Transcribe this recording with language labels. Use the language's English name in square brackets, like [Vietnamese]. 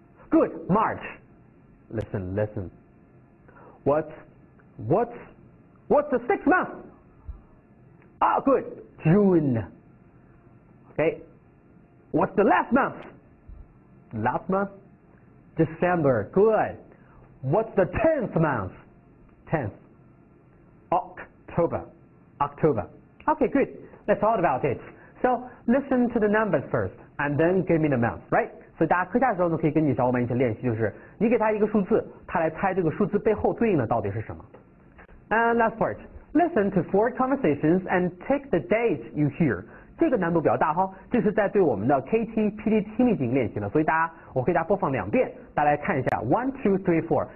[English] Good. March. Listen. What's the sixth month? Ah, good. June. Okay. What's the last month? Last month? December. Good. What's the tenth month? Tenth. October. Okay, good. Let's talk about it. So, listen to the numbers first, and then give me the amount, right? [Chinese] 所以大家课下的时候呢，可以跟你小伙伴一起练习，就是你给他一个数字，他来猜这个数字背后对应的到底是什么。 [English] And last part, listen to 4 conversations and take the date you hear. [Chinese] 这个难度比较大哈，这是在对我们的 KTPD 听力进行练习的，所以大家我可以大家播放两遍，大家来看一下 1, 2, 3, 4。